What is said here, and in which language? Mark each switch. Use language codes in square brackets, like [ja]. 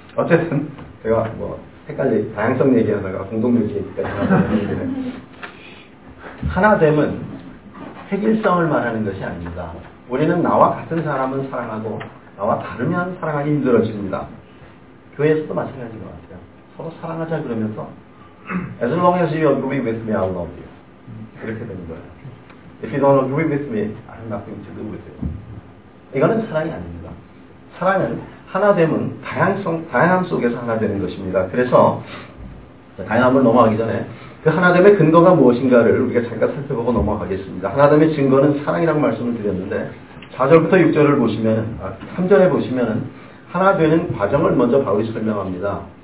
[ko] 어쨌든 제가 뭐 헷갈리, 다양성 얘기하다가 공동묘지 얘기까지 하는데, 하나됨은 획일성을 말하는 것이 아닙니다. 우리는 나와 같은 사람은 사랑하고 나와 다르면 사랑하기 힘들어집니다. 교회에서도 마찬가지인 것 같아요. 서로 사랑하자 그러면서 [en] As long as you agree with me, I'll love you. [ko] 이렇게 되는 거예요. [en] If you don't agree with me, I have nothing to do with you. [ko] 이거는 사랑이 아닙니다. 사랑은, 하나됨은 다양함 속에서 하나 되는 것입니다. 그래서 다양함을 넘어가기 전에 그 하나됨의 근거가 무엇인가를 우리가 잠깐 살펴보고 넘어가겠습니다. 하나됨의 증거는 사랑이라고 말씀을 드렸는데, 4절부터 6절을 보시면, 3절에 보시면 하나 되는 과정을 먼저 바울이 설명합니다.